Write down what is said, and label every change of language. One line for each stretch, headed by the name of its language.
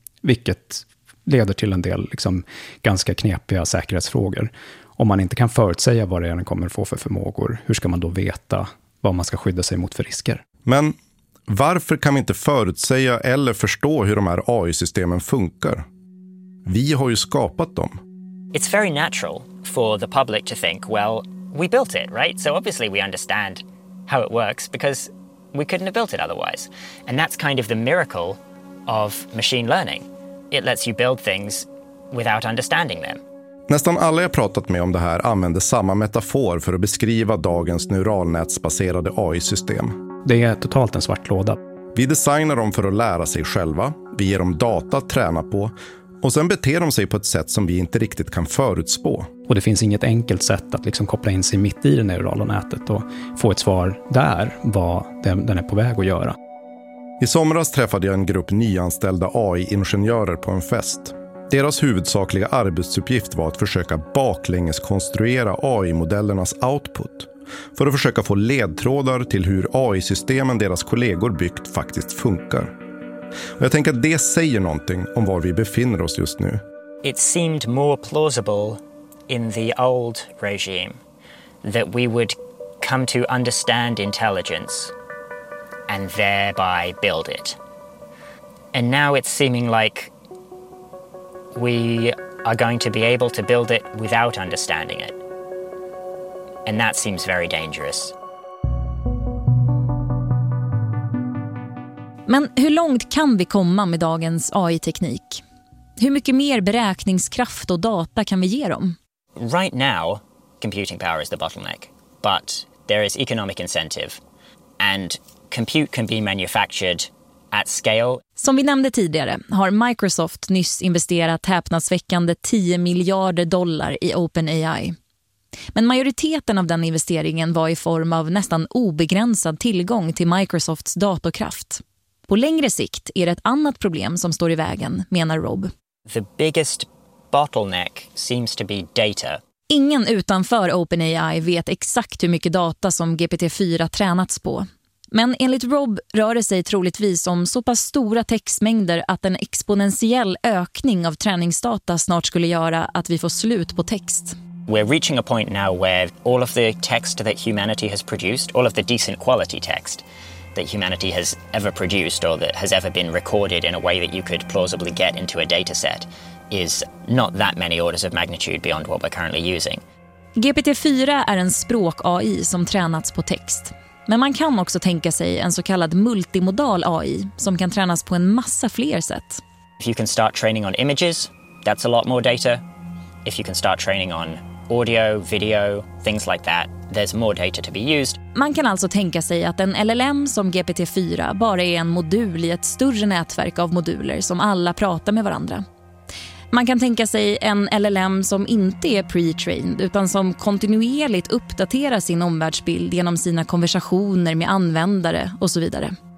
Swedish: Vilket leder till en del liksom ganska knepiga säkerhetsfrågor. Om man inte kan förutsäga vad den kommer få för förmågor, hur ska man då veta vad man ska skydda sig mot för risker? Men varför kan vi inte förutsäga eller förstå hur de här AI-systemen funkar? Vi har ju skapat dem.
English: It's very natural for the public to think, well, we built it, right? So obviously we understand how it works because we couldn't have built it otherwise. And that's kind of the miracle of machine learning. It lets you build things without understanding them.
Swedish: Nästan alla jag pratat med om det här använder samma metafor för att beskriva dagens neuralnätsbaserade AI-system. Det är totalt en svart låda. Vi designar dem för att lära sig själva. Vi ger dem data att träna på. Och sen beter de sig på ett sätt som vi inte riktigt kan förutspå. Och det finns inget enkelt sätt att liksom koppla in sig mitt i det neurala nätet och få ett svar där vad den är på väg att göra. I somras träffade jag en grupp nyanställda AI-ingenjörer på en fest. Deras huvudsakliga arbetsuppgift var att försöka baklänges konstruera AI-modellernas output. För att försöka få ledtrådar till hur AI-systemen deras kollegor byggt faktiskt funkar. Och jag tänker att det säger någonting om var vi befinner oss just nu.
English: It seemed more plausible in the old regime that we would come to understand intelligence and thereby build it. And now it's seeming like we are going to be able to build it without understanding it. And that seems very dangerous.
Swedish: Men hur långt kan vi komma med dagens AI-teknik? Hur mycket mer beräkningskraft och data kan vi ge dem?
English: Right now, computing power is the bottleneck. But there is economic incentive. And compute can be manufactured at scale.
Swedish: Som vi nämnde tidigare har Microsoft nyss investerat häpnadsväckande 10 miljarder dollar i OpenAI. Men majoriteten av den investeringen var i form av nästan obegränsad tillgång till Microsofts datorkraft. På längre sikt är det ett annat problem som står i vägen, menar Rob.
English: The biggest bottleneck seems to be data.
Swedish: Ingen utanför OpenAI vet exakt hur mycket data som GPT-4 tränats på. Men enligt Rob rör det sig troligtvis om så pass stora textmängder att en exponentiell ökning av träningsdata snart skulle göra att vi får slut på text.
English: We're reaching a point now where all of the text that humanity has produced, all of the decent quality text that humanity has ever produced or that has ever been recorded in a way that you could plausibly get into a dataset is not that many orders of magnitude beyond what we're currently using.
Swedish: GPT-4 är en språk AI som tränats på text. Men man kan också tänka sig en så kallad multimodal AI som kan tränas på en massa fler sätt.
English: If you can start training on images, that's a lot more data. If you can start training on audio, video, things like that, there's more data to be used.
Swedish: Man kan alltså tänka sig att en LLM som GPT-4 bara är en modul i ett större nätverk av moduler som alla pratar med varandra. Man kan tänka sig en LLM som inte är pre-trained utan som kontinuerligt uppdaterar sin omvärldsbild genom sina konversationer med användare och så vidare.